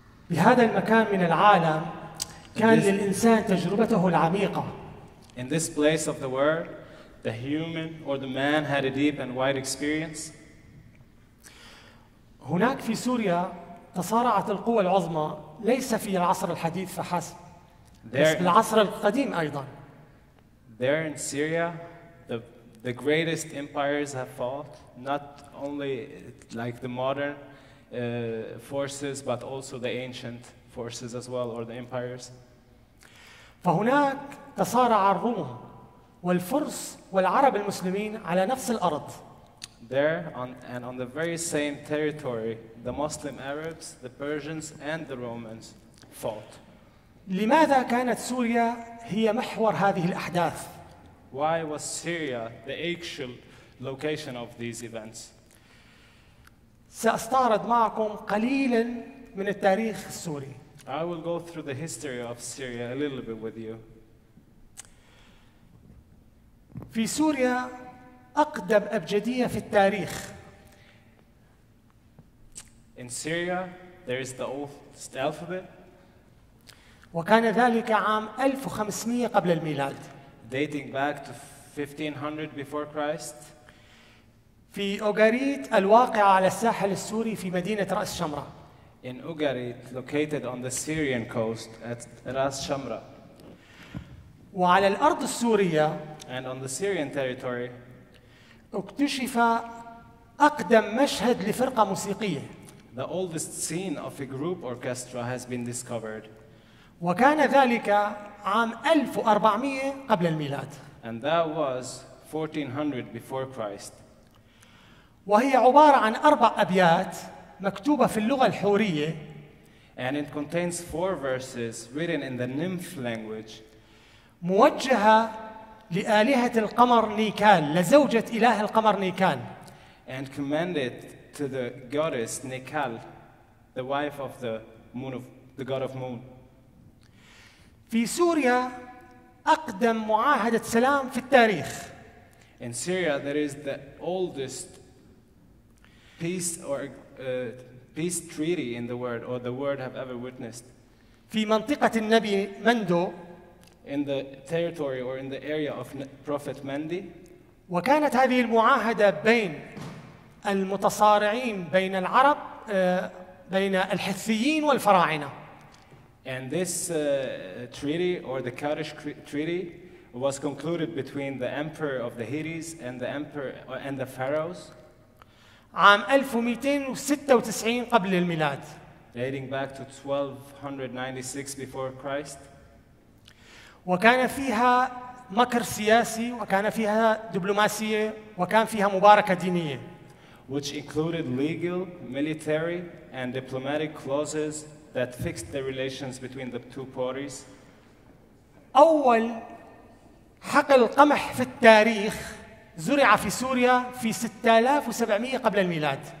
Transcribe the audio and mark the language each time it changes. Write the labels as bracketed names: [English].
[Arabic] بهذا المكان من العالم كان للإنسان تجربته العميقة. [English] In this place of the world, the human or the man had a deep and wide experience. [Arabic] هناك في سوريا تصارعت القوى العظمى ليس في العصر الحديث فحسب [English] there, [Arabic] بس في العصر القديم ايضا [English] there in Syria the greatest empires have fought not only like the modern forces but also the ancient forces as well or the empires [Arabic] فهناك تصارع الروم والفرس والعرب المسلمين على نفس الارض [English] There on the very same territory, the Muslim Arabs, the Persians, and the Romans fought. [Arabic] لماذا كانت سوريا هي محور هذه الأحداث؟ [English] Why was Syria the actual location of these events? [Arabic] سأستعرض معكم قليلاً من التاريخ السوري. [English] I will go through the history of Syria a little bit with you. [Arabic] في سوريا. أقدم أبجدية في التاريخ. [English] In Syria, there is the oldest alphabet. [Arabic] وكان ذلك عام 1500 قبل الميلاد. [English] Dating back to 1500 before Christ. [Arabic] في أوغاريت الواقع على الساحل السوري في مدينة رأس شمرة. [English] In Ugarit, located on the Syrian coast at Ras Shamra. [Arabic] وعلى الأرض السورية. [English] And on the Syrian territory. [Arabic] اكتشف أقدم مشهد لفرقة موسيقية. [English] The oldest scene of a group orchestra has been discovered. [Arabic] وكان ذلك عام 1400 قبل الميلاد. [English] And that was 1400 before Christ. [Arabic] وهي عبارة عن أربع أبيات مكتوبة في اللغة الحورية. [English] And it contains four verses written in the nymph language. [Arabic] موجهة لآلهة القمر نيكال لزوجة إله القمر نيكال [English] and commanded to the goddess Nikal the wife of the moon of the god of moon [Arabic] في سوريا أقدم معاهدة سلام في التاريخ [English] in Syria there is the oldest peace or peace treaty in the world or the world have ever witnessed [Arabic] في منطقة النبي مندو [English] in the territory or in the area of Prophet Mandi. [Arabic] وكانت هذه المعاهدة بين المتصارعين بين العرب بين الحثيين والفراعنة. [English] And this treaty or the Kurdish treaty was concluded between the emperor of the Hittites and the emperor and the pharaohs. [Arabic] عام 1296 قبل الميلاد. [English] Dating back to 1296 before Christ. [Arabic] وكان فيها مكر سياسي وكان فيها دبلوماسية وكان فيها مباركة دينية. [English] Which included legal, military, and diplomatic clauses that fixed the relations between the two parties. [Arabic] أول حقل قمح في التاريخ زرع في سوريا في 6700 قبل الميلاد.